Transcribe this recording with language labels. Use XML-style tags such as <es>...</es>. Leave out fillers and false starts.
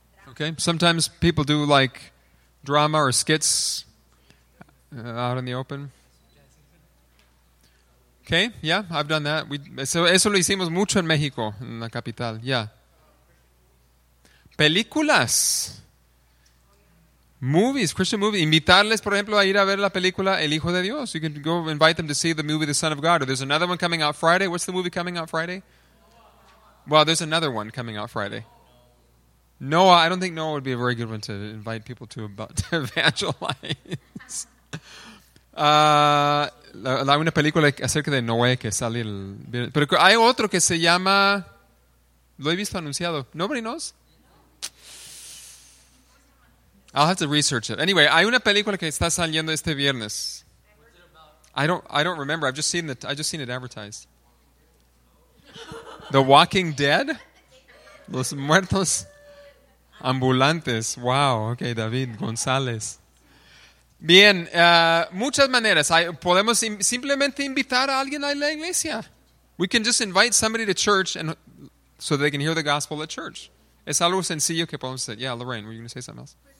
<en>Okay. Sometimes people do like drama or skits out in the open. Okay, yeah, I've done that.</en> <es>Eso lo hicimos mucho en México, en la capital, yeah.</es> <en>Películas. Movies, Christian movies.</en> <es>Invitarles, por ejemplo, a ir a ver la película El Hijo de Dios.</es> <en>You can go invite them to see the movie The Son of God. Or there's another one coming out Friday. What's the movie coming out Friday? Well, there's another one coming out Friday. Noah, I don't think Noah would be a very good one to invite people to evangelize.</en> <es>Hay una película acerca de Noé que sale el viernes. Pero hay otro que se llama, lo he visto anunciado.</es> <en>Nobody knows. I'll have to research it. Anyway,</en> <es>hay una película que está saliendo este viernes.</es> <en>I don't remember. I've just seen it advertised. The Walking Dead,</en> <es>Los Muertos Ambulantes.</es> <en>Wow.</en> <es>Okay, David González. Bien, muchas maneras. Podemos simplemente invitar a alguien a la iglesia.</es> <en>We can just invite somebody to church and so they can hear the gospel at church.</en> <es>Es algo sencillo que podemos hacer.</es> <en>Yeah, Lorraine, were you going to say something else?</en>